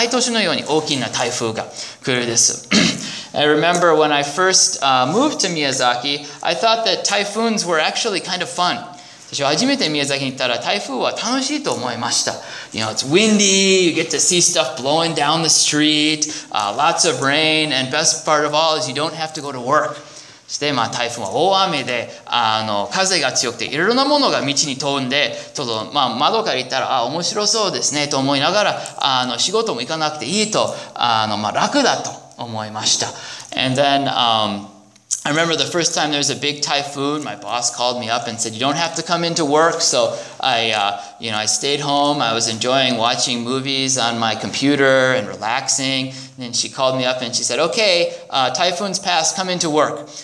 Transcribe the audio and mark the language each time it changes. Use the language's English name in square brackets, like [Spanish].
[Japanese] 私は、3年ほど宮崎の方に住んでいましたが、宮崎は大きな台風がよく来るんです。毎年のように大きな台風が来るです。 [English] I remember when I first moved to Miyazaki, I thought that typhoons were actually kind of fun. [Japanese] 私は初めて宮崎に行ったら台風は楽しいと思いました。 [English] You know, it's windy, you get to see stuff blowing down the street, lots of rain, and best part of all is you don't have to go to work. [Japanese] そして、台風は大雨で、風が強くていろんなものが道に飛んで、ちょっと窓から言ったら、面白そうですねと思いながら、仕事も行かなくていいと、楽だと思いました。 [English] And then, I remember the first time there was a big typhoon, my boss called me up and said, you don't have to come into work. So I stayed home. I was enjoying watching movies on my computer and relaxing. And then she called me up and she said, okay, typhoon's passed, come into work.